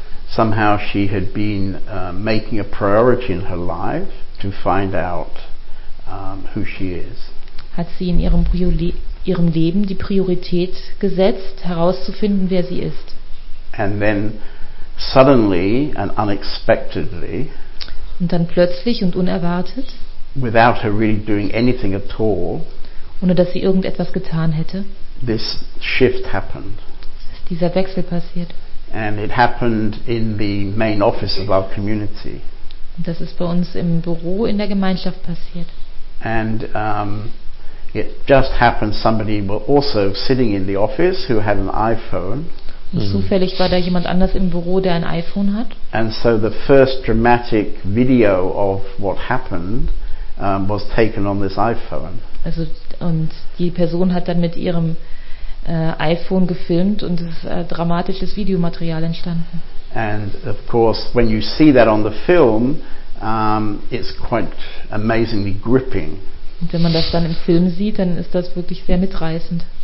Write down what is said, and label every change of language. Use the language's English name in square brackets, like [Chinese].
[English] Somehow she had been making a priority in her life to find out who she is. [German] Hat sie in ihrem Leben die Priorität gesetzt, herauszufinden, wer sie ist. [English] And then suddenly and unexpectedly, [German] und dann plötzlich und unerwartet, [English] without her really doing anything at all, [German] ohne dass sie irgendetwas getan hätte, [English] this shift happened. [German] Ist dieser Wechsel passiert. [English] And it happened in the main office of our community. [German] Und das ist bei uns im Büro in der Gemeinschaft passiert. [English] And it just happened somebody was also sitting in the office who had an iPhone. [German] Und zufällig war da jemand anders im Büro, der ein iPhone hat. [English] And so the first dramatic video of what happened was taken on this iPhone. [German] Also und die Person hat dann mit ihrem iPhone gefilmt und es ist dramatisches Videomaterial entstanden. [English] And of course when you see that on the film it's quite amazingly gripping. [German] Und wenn man das dann im Film sieht, dann ist das wirklich sehr mitreißend.